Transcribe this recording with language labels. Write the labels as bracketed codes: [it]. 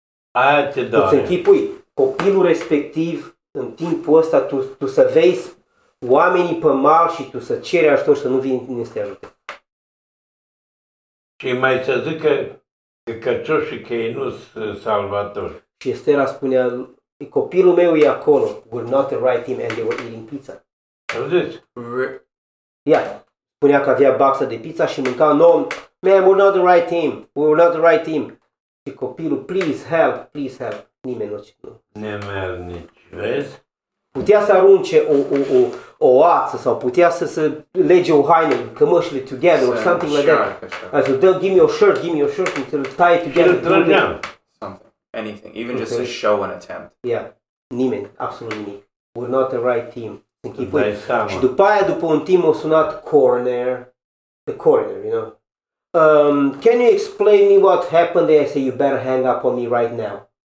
[ro] Aia te doare. Îți închipui, copilul respectiv, în timpul ăsta, tu să vezi oamenii pe mal și tu să ceri ajutor să nu vină să te ajute. Și mai să zică căcioșii că ei nu sunt salvatori. Și Estera spunea, copilul meu e acolo, [en] we're not the right team and they were eating pizza. [ro] Auziți? Ia, spunea că avea baxa de pizza și mânca un om. [en] Man, we're not the right team. We're not the right team. [ro] Și copilul, [en] please help, please help. [ro] Nimeni nu. Nimeni nici, vezi? Putea să arunce o ață sau putea să lege o haină, cămășile [en] together or something like that. [ro] Așa. Așa, [en] give me your shirt, and tie it together. Something. Anything. Even just to show an attempt. Yeah. [ro] Nimeni, absolut nimic. [en] We're not the right team. [ro] Și după aia, după un timp, a sunat coroner. [en] The coroner, you know? Can you explain me what happened there? I say you better hang up on me right now.